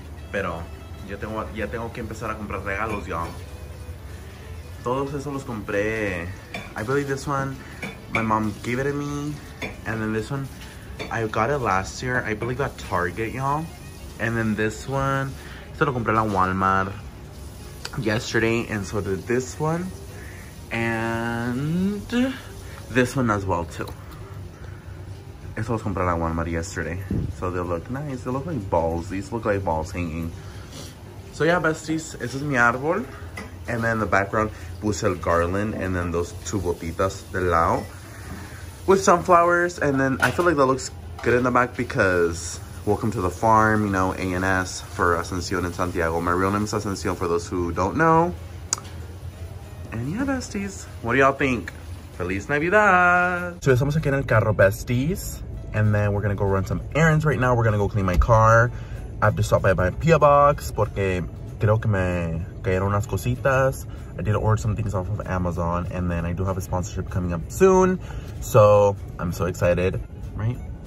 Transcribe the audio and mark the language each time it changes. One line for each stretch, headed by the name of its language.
Spanish: Pero ya tengo que empezar a comprar regalos, y'all. Todos esos los compré.
English: I believe this one, my mom gave it to me. And then this one, I got it last year. I believe at Target, y'all. And then this one,
Spanish: se lo compré la Walmart
English: yesterday. And so did this one. And this one as well too.
Spanish: Eso los compré la Walmart
English: yesterday. So they look nice. They look like balls. These look like balls hanging. So yeah, besties,
Spanish: ese es mi árbol.
English: And then the background,
Spanish: puse el
English: garland and then those two
Spanish: botitas del lado
English: with sunflowers. And then I feel like that looks good in the back because welcome to the farm, you know, ANS for Ascension in Santiago. My real name is Ascension for those who don't know. And yeah, besties, what do y'all think?
Spanish: Feliz Navidad! So, estamos aquí en el carro, besties.
English: And then we're gonna go run some errands right now. We're gonna go clean my car. I have to stop by my PO box
Spanish: porque creo que me cayeron unas cositas.
English: I did order some things off of Amazon. And then I do have a sponsorship coming up soon. So, I'm so excited. Right?